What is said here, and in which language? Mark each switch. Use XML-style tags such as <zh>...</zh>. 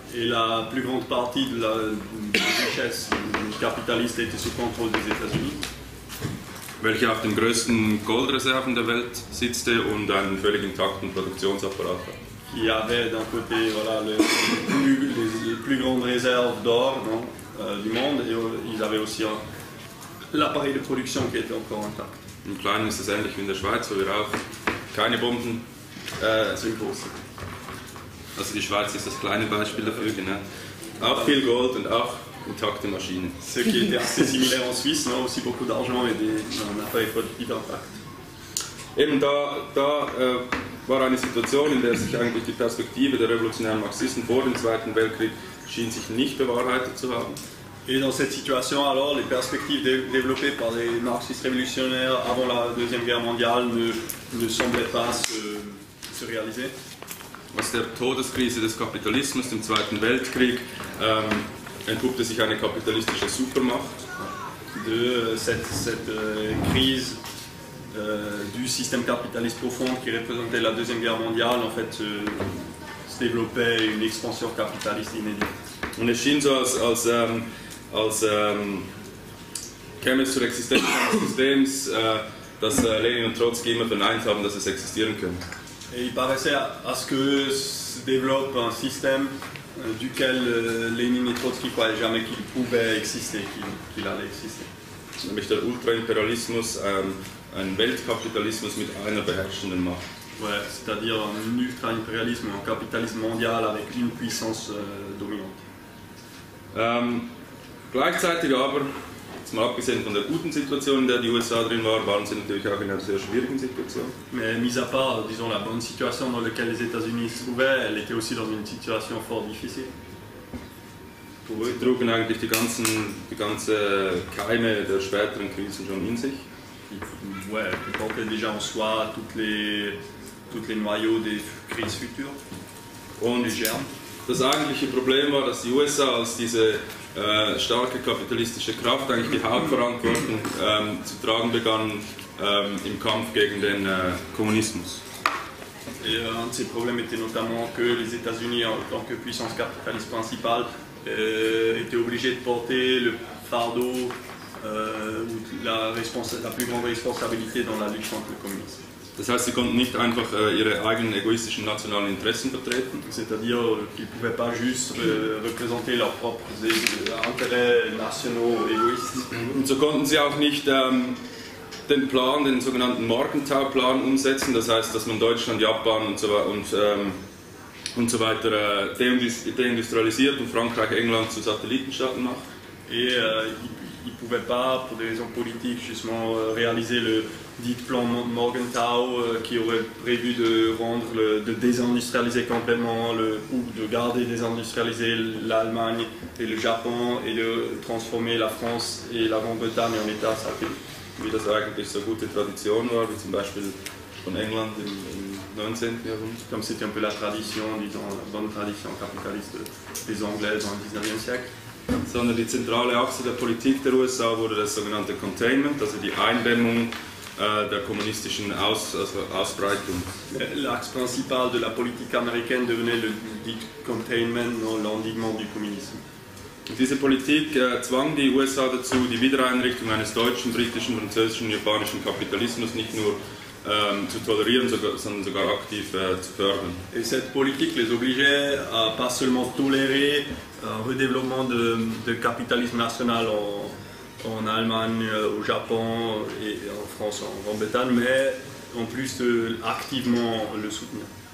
<fr>Et la plus grande partie de la richesse capitaliste était sous contrôle des États-Unis.</fr> <de>Welche auf den größten Goldreserven der Welt sitzte und einen völlig intakten Produktionsapparat hat.</de> <fr>Qui avait d'un côté voilà, les plus grandes réserves d'or du monde et ils avaient aussi l'appareil de production qui était encore intact.</fr> <de>Im Kleinen ist es ähnlich wie in der Schweiz, wo wir auch keine Bomben sind. Große. Also die Schweiz ist das kleine Beispiel dafür, genau. Auch viel Gold und auch intakte Maschinen.</de> <fr>Ce qui était assez similaire en Suisse, non? Aussi beaucoup d'argent et un appareil productif intact.</fr> <de>Eben da war eine Situation, in der sich eigentlich die Perspektive der revolutionären Marxisten vor dem Zweiten Weltkrieg schien sich nicht bewahrheitet zu haben.</de> <fr>Et dans cette situation, alors, les perspectives développées par les marxistes révolutionnaires avant la Deuxième Guerre mondiale ne semblaient pas se réaliser.</fr> <de>Aus der Todeskrise des Kapitalismus im Zweiten Weltkrieg entpuppte sich eine kapitalistische Supermacht.</de> <fr>De cette crise du système capitaliste profond qui représentait la Deuxième Guerre mondiale, en fait, se développait une expansion capitaliste inédite.</fr> <de>Und es schien so, als käme es zur Existenz eines Systems, das Lenin und Trotsky immer verneint haben, dass es existieren könnte.</de> <fr>Et il paraissait à ce que se développe un système duquel Lenin et Trotsky croyaient jamais qu'il pouvait exister, qu'il allait exister.</fr> <de>Nämlich der Ultra-Imperialismus, ein Weltkapitalismus mit einer beherrschenden Macht.</de> <fr>Ouais, c'est-à-dire un ultra-imperialisme, un capitalisme mondial avec une puissance dominante.</fr> <de>Gleichzeitig aber, jetzt mal abgesehen von der guten Situation, in der die USA drin waren, waren sie natürlich auch in einer sehr schwierigen Situation.</de> <fr>Mais mis à part, disons, la bonne situation dans laquelle les États-Unis se trouvaient, elle était aussi dans une situation fort difficile.</fr> <de>Sie trugen eigentlich die ganze Keime der späteren Krisen schon in sich.</de> <fr>Ouais, ils portaient déjà en soi toutes les noyaux des crises futures.</fr> <de>Und</de> <fr>les germes.</fr> <de>Das eigentliche Problem war, dass die USA als diese starke kapitalistische Kraft eigentlich die Hauptverantwortung zu tragen begann im Kampf gegen den Kommunismus.</de> <fr>Et un de ces problèmes était notamment que les États-Unis, en tant que puissance capitaliste principale, étaient obligés de porter le fardeau ou la plus grande responsabilité dans la lutte contre le communisme.</fr> <de>Das heißt, sie konnten nicht einfach ihre eigenen egoistischen nationalen Interessen vertreten.</de> <fr>C'est-à-dire qu'ils ne pouvaient pas juste représenter leurs propres intérêts nationaux égoïstes.</fr> <de>Und so konnten sie auch nicht den Plan, den sogenannten Morgenthau-Plan umsetzen. Das heißt, dass man Deutschland, Japan und so weiter deindustrialisiert und Frankreich, England zu Satellitenstaaten macht.</de> <fr>Et ils ne pouvaient pas, pour des raisons politiques, justement, réaliser le dit plan Morgenthau, qui aurait prévu de désindustrialiser complètement, ou de garder désindustrialiser l'Allemagne et le Japon, et de transformer la France et la Grande-Bretagne en état satellite.</fr> <de>Wie das eigentlich so gute Tradition war, wie zum Beispiel von England im 19. Jahrhundert.</de> <fr>Comme c'était un peu la tradition, disons, la bonne tradition capitaliste des Anglais dans le 19e siècle.</fr> <de>Sondern die zentrale Achse der Politik der USA wurde das sogenannte Containment, also die Eindämmung der kommunistischen Ausbreitung.</de> <fr>L'axe principal de la politique américaine devenait le dit containment, l'endiguement du communisme.</fr> <de>Diese Politik zwang die USA dazu, die Wiedereinrichtung eines deutschen, britischen, französischen, japanischen Kapitalismus nicht nur zu tolerieren, sondern sogar aktiv zu fördern.</de> <fr>Et cette politique les obligeait à pas seulement tolérer un redéveloppement de capitalisme national en Allemagne, au Japon et en France, en Grande-Bretagne, mais en plus activement le soutenir.</fr>